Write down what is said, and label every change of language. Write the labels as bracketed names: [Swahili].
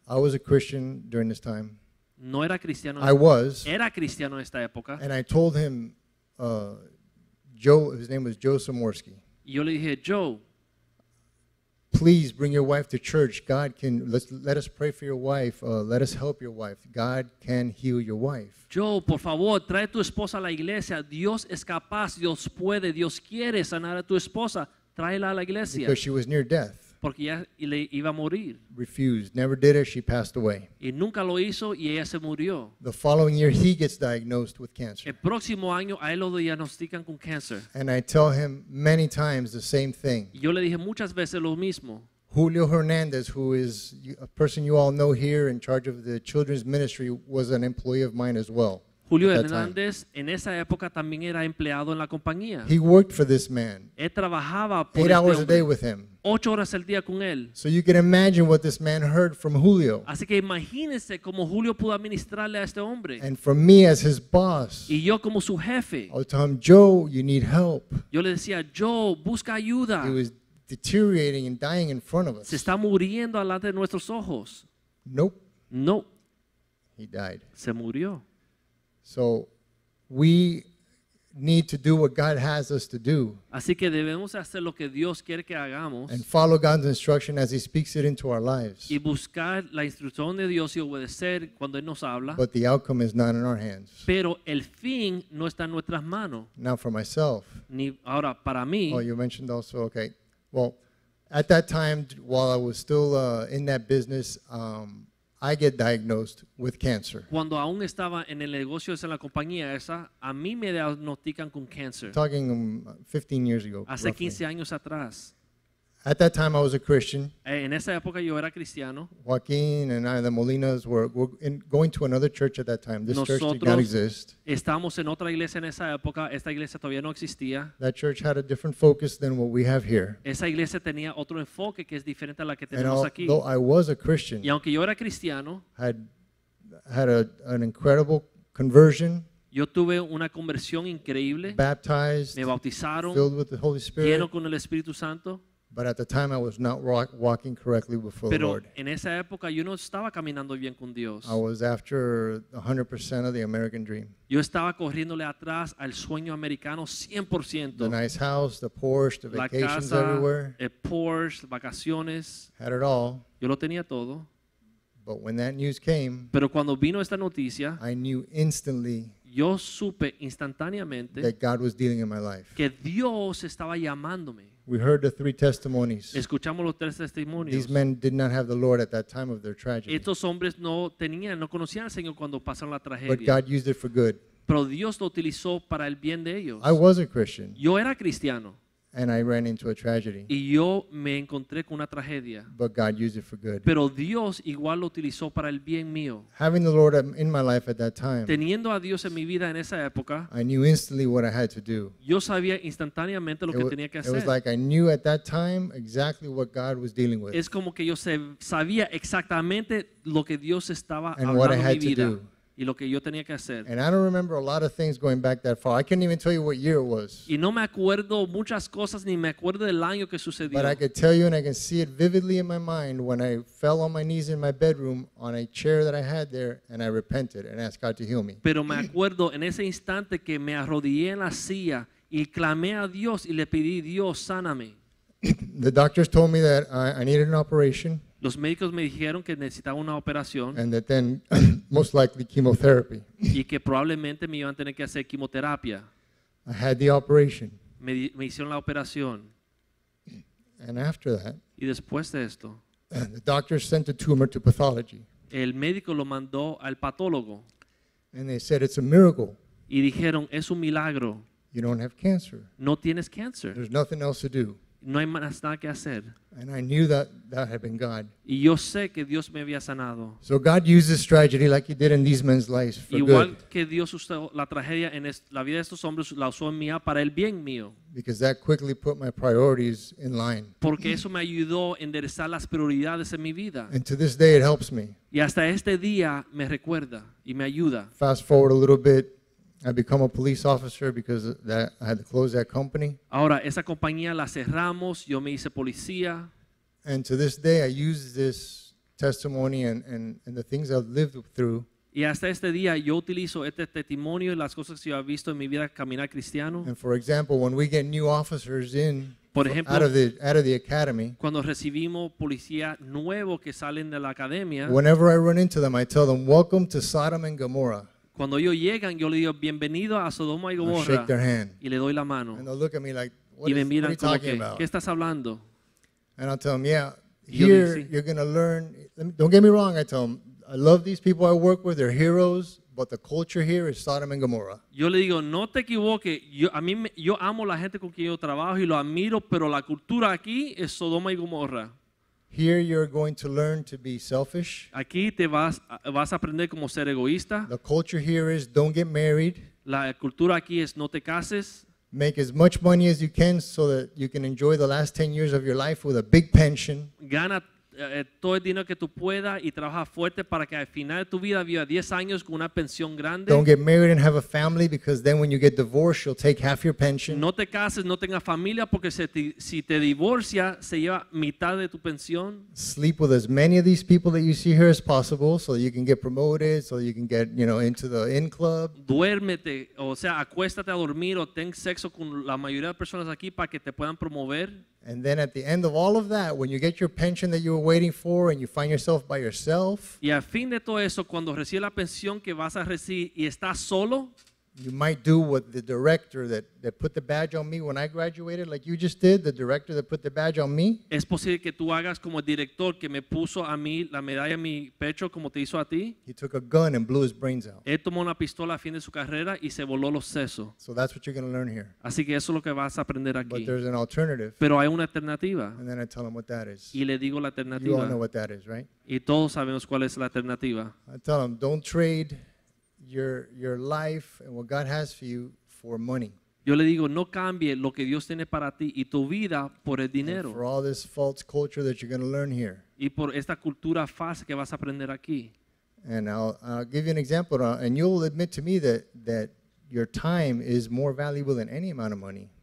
[English] I was a Christian during this time. [Spanish] No era cristiano. [English] I was. [Spanish] Era cristiano en esta época. [English] And I told him, Joe, his name was Joe Samorski. [Spanish] Yo le dije, Joe, [English] please bring your wife to church. God can, let us pray for your wife. Let us help your wife. God can heal your wife. [Spanish] Joe, por favor, trae tu esposa a la iglesia. Dios es capaz, Dios puede, Dios quiere sanar a tu esposa. Tráela a la iglesia. [English] Because she was near death. [Spanish] Porque ya le iba a morir. [English] Refused. Never did it. She passed away. [Spanish] Y nunca lo hizo y ella se murió. [English] The following year, he gets diagnosed with cancer. [Spanish] El próximo año, a él lo diagnostican con cáncer. [English] And I tell him many times the same thing. [Spanish] Yo le dije muchas veces lo mismo. [English] Julio Hernandez, who is a person you all know here in charge of the children's ministry, was an employee of mine as well. [Spanish] Julio Hernández en esa época también era empleado en la compañía. [English] He worked for this man. [Spanish] He trabajaba por [English] 8 hours [Spanish] este [English] a day with him. [Spanish] 8 horas al día con él. [English] So you can imagine what this man heard from Julio. [Spanish] Así que imagínese cómo Julio pudo administrarle a este hombre. [English] And for me as his boss. [Spanish] Y yo como su jefe. [English] I told him, Joe, you need help. [Spanish] Yo le decía, Joe, busca ayuda. [English] He was deteriorating and dying in front of us. [Spanish] Se está muriendo delante de nuestros ojos. [English] Nope. [Spanish] No. [English] He died. [Spanish] Se murió. [English] So we need to do what God has us to do. [Spanish] Así que debemos hacer lo que Dios quiere que hagamos. [English] And follow God's instruction as He speaks it into our lives. [Spanish] Y buscar la instrucción de Dios y obedecer cuando Él nos habla. [English] But the outcome is not in our hands. [Spanish] Pero el fin no está en nuestras manos. [English] Now for myself. [Spanish] Ni ahora para mí. [English] Oh, you mentioned also, okay. Well, at that time, while I was still in that business, I get diagnosed with cancer. [Spanish] Cuando aún estaba en el negocio en la compañía esa, a mí me diagnostican con cáncer. [English] Talking 15 years ago. [Spanish] Hace 15 años atrás. [English] At that time, I was a Christian. [Spanish] En esa época yo era cristiano. [English] Joaquin and I, the Molinas, were going to another church at that time. This [Spanish] Nosotros [English] church did not exist. [Spanish] Estábamos en otra iglesia en esa época. Esta iglesia todavía no existía. [English] That church had a different focus than what we have here. [Spanish] Esa iglesia tenía otro enfoque que es diferente a la que tenemos aquí. [English] Though I was a Christian, [Spanish] y aunque yo era cristiano, [English] had an incredible conversion. [Spanish] Yo tuve una conversión increíble. [English] Baptized. [Spanish] Me bautizaron. [English] Filled with the Holy Spirit. [Spanish] Lleno con el Espíritu Santo. [English] But at the time, I was not walking correctly before [Spanish] Pero [English] the Lord. [Spanish] En esa época, yo no estaba caminando bien con Dios. [English] I was after 100% of the American dream. [Spanish] Yo estaba corriéndole atrás al sueño americano 100%. [English] The nice house, the Porsche, the [Spanish] La [English] vacations [Spanish] casa, [English] everywhere. [Spanish] El Porsche, vacaciones. [English] Had it all. [Spanish] Yo lo tenía todo. [English] But when that news came, [Spanish] Pero cuando vino esta noticia, [English] I knew instantly [Spanish] yo supe instantáneamente [English] that God was dealing in my life. [Spanish] Que Dios estaba llamándome. [English] We heard the three testimonies. [Spanish] Escuchamos los tres testimonios. [English] These men did not have the Lord at that time of their tragedy. [Spanish] Estos hombres no tenían, no conocían al Señor cuando pasaron la tragedia. [English] But God used it for good. [Spanish] Pero Dios lo utilizó para el bien de ellos. [English] I was a Christian. [Spanish] Yo era cristiano. [English] And I ran into a tragedy. [Spanish] Y yo me encontré con una tragedia. [English] But God used it for good. [Spanish] Pero Dios igual lo utilizó para el bien mío. [English] Having the Lord in my life at that time. [Spanish] Teniendo a Dios en mi vida en esa época. [English] I knew instantly what I had to do. [Spanish] Yo sabía instantáneamente lo que tenía que hacer. [English] It was like I knew at that time exactly what God was dealing with. [Spanish] Es como que yo sabía exactamente lo que Dios estaba [English] and what I had [Spanish] mi vida. [English] To do. [Spanish] Y lo que yo tenía que hacer. [English] And I don't remember a lot of things going back that far. I couldn't even tell you what year it was. [Spanish] Y no me acuerdo muchas cosas ni me acuerdo del año que sucedió. [English] But I could tell you and I can see it vividly in my mind when I fell on my knees in my bedroom on a chair that I had there and I repented and asked God to heal me. [Spanish] Pero me acuerdo en ese instante que me arrodillé en la silla y clamé a Dios y le pedí Dios sáname. [English] The doctors told me that I needed an operation. [Spanish] Los médicos me dijeron que necesitaba una operación. [English] And that then, most likely, chemotherapy. [Spanish] Y que probablemente me iban a tener que hacer quimioterapia. [English] I had the operation. [Spanish] Me hicieron la operación. [English] And after that. [Spanish] Y después de esto. [English] The doctor sent the tumor to pathology. [Spanish] El médico lo mandó al patólogo. [English] And they said it's a miracle. [Spanish] Y dijeron es un milagro. [English] You don't have cancer. [Spanish] No tienes cáncer. [English] There's nothing else to do. [Spanish] No hay más nada que hacer. [English] And I knew that had been God. [Spanish] Y yo sé que Dios me había sanado. [English] So God uses tragedy like He did in these men's lives for [Spanish] Igual [English] good. [Spanish] Igual que Dios usó la tragedia en la vida de estos hombres, la usó en mía para el bien mío. [English] Because that quickly put my priorities in line. [Spanish] Porque eso me ayudó a enderezar las prioridades en mi vida. [English] And to this day it helps me. [Spanish] Y hasta este día me recuerda y me ayuda. [English] Fast forward a little bit. I become a police officer because that I had to close that company. [Spanish] Ahora esa compañía la cerramos, yo me hice policía. [English] And to this day I use this testimony and the things I've lived through. [Spanish] Y hasta este día yo utilizo este testimonio y las cosas que yo he visto en mi vida caminar cristiano. [English] And for example, when we get new officers in [Spanish] Por ejemplo, [English] out of the academy, [Spanish] cuando recibimos policías nuevos que salen de la academia, [English] whenever I run into them I tell them, "Welcome to Sodom and Gomorrah." [Spanish] Cuando ellos llegan, yo le digo bienvenido a Sodoma y Gomorra. [English] I'll shake their hand. [Spanish] Y le doy la mano. [English] And they'll look at me like, what [Spanish] y me miran [English] what are you [Spanish] como [English] talking [Spanish] que, [English] about? [Spanish] ¿Qué estás hablando? [English] And I'll tell them, yeah, here [Spanish] digo, sí. [English] You're going to learn. Don't get me wrong, I tell them, I love these people I work with, they're heroes, but the culture here is Sodom and Gomorrah. [Spanish] Yo le digo, no te equivoques, yo amo la gente con quien yo trabajo y lo admiro, pero la cultura aquí es Sodoma y Gomorra. [English] Here you're going to learn to be selfish. [Spanish] Aquí te vas a aprender cómo ser egoísta. [English] The culture here is don't get married. [Spanish] La cultura aquí es no te cases. [English] Make as much money as you can so that you can enjoy the last 10 years of your life with a big pension. [Spanish] Gana todo el dinero que tú puedas y trabaja fuerte para que al final de tu vida viva 10 años con una pensión grande. [English] Don't get married and have a family because then when you get divorced, you'll take half your pension. [Spanish] No te cases, no tengas familia porque si te divorcias, se lleva mitad de tu pensión. [English] Sleep with as many of these people that you see here as possible so that you can get promoted, so that you can get, you know, into the in club. [Spanish] Duérmete, o sea, acuéstate a dormir o ten sexo con la mayoría de personas aquí para que te puedan promover. [English] And then at the end of all of that, when you get your pension that you were waiting for and you find yourself by yourself, [Spanish] y al fin de todo eso, cuando recibes la pensión que vas a recibir y estás solo, [English] you might do what the director that put the badge on me when I graduated, like you just did, the director that put the badge on me. [Spanish] Es posible que tú hagas como el director que me puso a mí la medalla en mi pecho como te hizo a ti. [English] He took a gun and blew his brains out. [Spanish] Él tomó una pistola a fin de su carrera y se voló los sesos. [English] So that's what you're going to learn here. [Spanish] Así que eso es lo que vas a aprender aquí. [English] But there's an alternative. [Spanish] Pero hay una alternativa. [English] And then I tell him what that is. [Spanish] Y le digo la alternativa. [English] You all know what that is, right? [Spanish] Y todos sabemos cuál es la alternativa. [English] I tell him, don't trade your life and what God has for you for money. [Spanish] Yo le digo, no cambie lo que Dios tiene para ti y tu vida por el dinero. [English] And for all this false culture that you're going to learn here. [Spanish] Y por esta cultura falsa que vas a aprender aquí. [English] And I'll give you an example, and you'll admit to me that your time is more valuable than any amount of money.